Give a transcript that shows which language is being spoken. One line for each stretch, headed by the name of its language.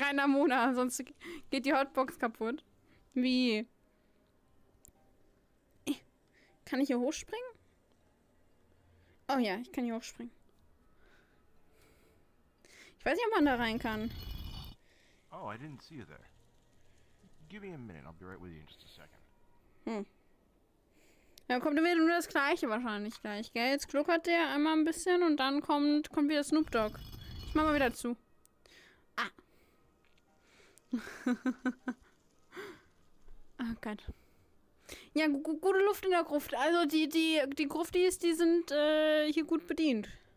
German: Reiner Mona, sonst geht die Hotbox kaputt. Wie? Kann ich hier hochspringen? Oh ja, ich kann hier hochspringen. Ich weiß nicht, ob man da rein kann.
English: Oh, I didn't see you there. Give me a minute, I'll be right with you in just a second.
German: Hm. Ja, kommt wieder nur das gleiche wahrscheinlich gleich, gell? Jetzt gluckert der einmal ein bisschen und dann kommt wieder Snoop Dogg. Ich mach mal wieder zu. Ah. Oh Gott. Ja, gute Luft in der Gruft. Also die Gruftis, die sind hier gut bedient.